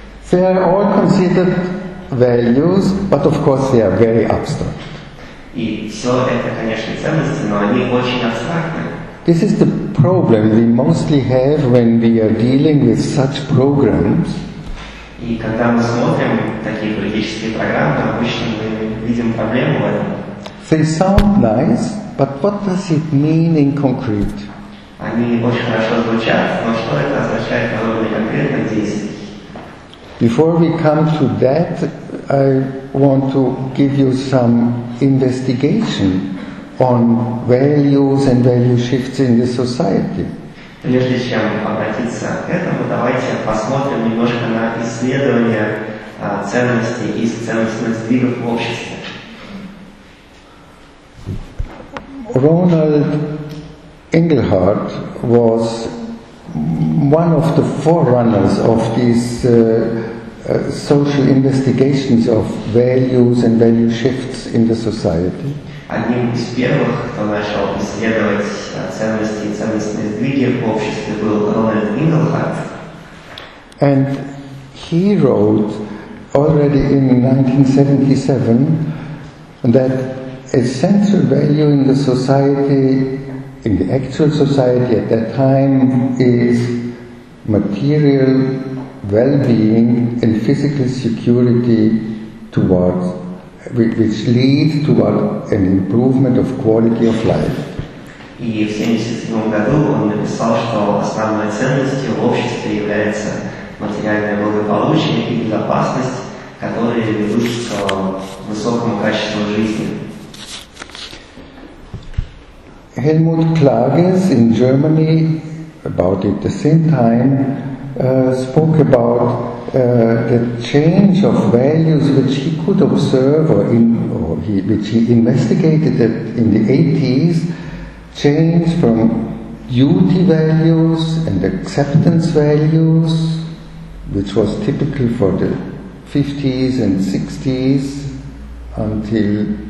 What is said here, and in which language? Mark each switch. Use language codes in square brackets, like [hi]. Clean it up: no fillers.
[en] They are all considered values, but of course they are very abstract. [ru] И все это, конечно, ценности, но они очень абстрактны. [en] This is the problem we mostly have when we are dealing with such programs. [ru] И когда мы смотрим такие политические программы, обычно мы видим проблему в этом. [en] They sound nice, but what does it mean in concrete? [ru] Они очень хорошо звучат, но что это означает в уровне конкретных действий? [en] Before we come to that, I want to give you some investigation on values and value shifts in the society. [ru] Прежде чем обратиться к этому, давайте посмотрим немножко на исследование ценностей и ценностных сдвигов в обществе. [en] Ronald Engelhard was one of the forerunners of these social investigations of values and value shifts in the society. [ru] Одним из первых, кто начал исследовать ценности и ценностные сдвиги в обществе, был Рональд Энгельхардт. [en] And he wrote already in 1977 that a central value in the society, in the actual society at that time, is material well-being and physical security towards, which leads toward an improvement of quality of life. [ru] И в 1977 году он написал, что основной ценностью в обществе является материальное благополучие и безопасность, которые ведут к высокому качеству жизни. [en] Helmut Klages in Germany, about at the same time, spoke about the change of values which he could observe which he investigated that in the 80s, change from duty values and acceptance values, which was typical for the 50s and 60s until